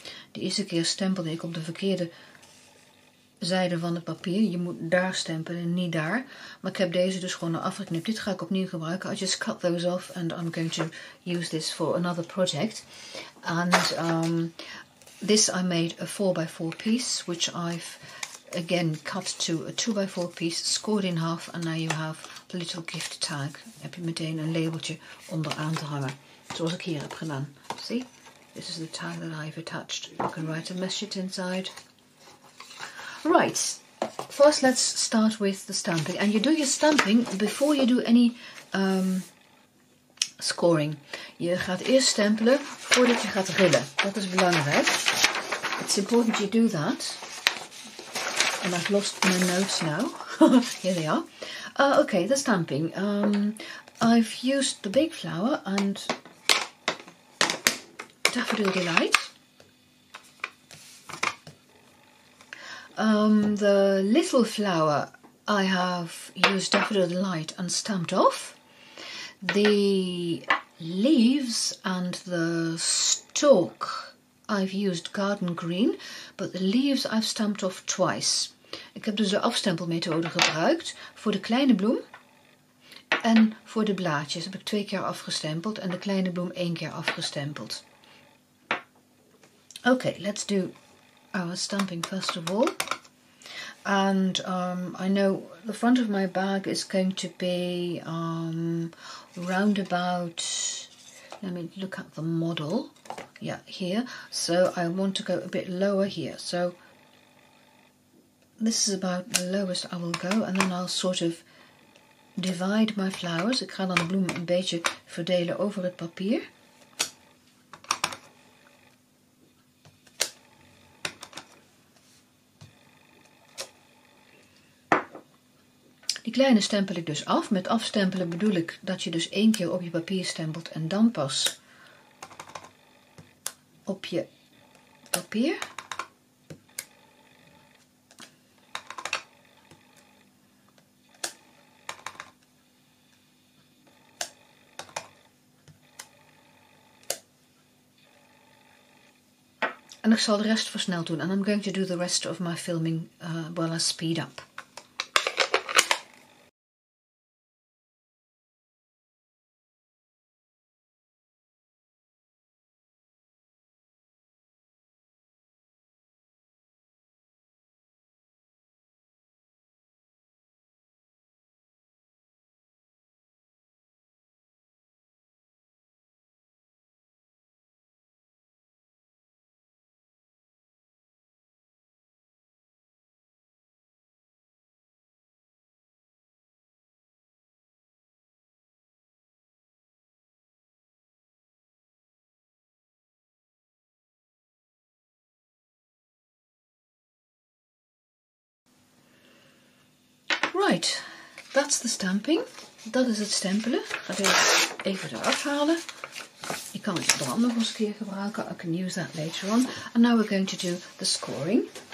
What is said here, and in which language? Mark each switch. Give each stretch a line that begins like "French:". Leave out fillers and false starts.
Dutch: De eerste keer stempelde ik op de verkeerde zijde van het papier. Je moet daar stempelen, niet daar. Maar ik heb deze dus gewoon afgeknipt. Dit ga ik opnieuw gebruiken.
English: I just cut those off and I'm going to use this for another project. And this I made a 4x4 piece which I've again, cut to a 2x4 piece, scored in half, and now you have the little gift tag. Heb je meteen een labeltje onderaan te hangen, zoals ik hier heb gedaan. See, this is the tag that I've attached. You can write a message inside. Right, first let's start with the stamping. And you do your stamping before you do any scoring.
Dutch: Je gaat eerst stempelen voordat je gaat rillen. Dat is belangrijk.
English: It's important you do that. And I've lost my notes now. Here they are. Okay, the stamping. I've used the big flower and Daffodil Delight. The little flower, I have used Daffodil Delight and stamped off. The leaves and the stalk, I've used Garden Green, but the leaves I've stamped off twice.
Dutch: Ik heb dus de afstempelmethode gebruikt voor de kleine bloem en voor de blaadjes. Heb ik 2 keer afgestempeld en de kleine bloem 1 keer afgestempeld.
English: Okay, let's do our stamping first of all. And I know the front of my bag is going to be round about, let me look at the model. Yeah, here. So I want to go a bit lower here. So this is about the lowest I will go. And then I'll sort of divide my flowers.
Dutch: Ik ga dan de bloemen een beetje verdelen over het papier. Die kleine stempel ik dus af. Met afstempelen bedoel ik dat je dus één keer op je papier stempelt en dan pas op je papier. En ik zal de rest versneld doen.
English: And I'm going to do the rest of my filming while I speed up. Right, that's the stamping.
Dutch: Dat is het stempelen. Ik ga deze even eraf halen. Ik kan het de hand nog eens een keer gebruiken.
English: I can use that later on. And now we're going to do the scoring.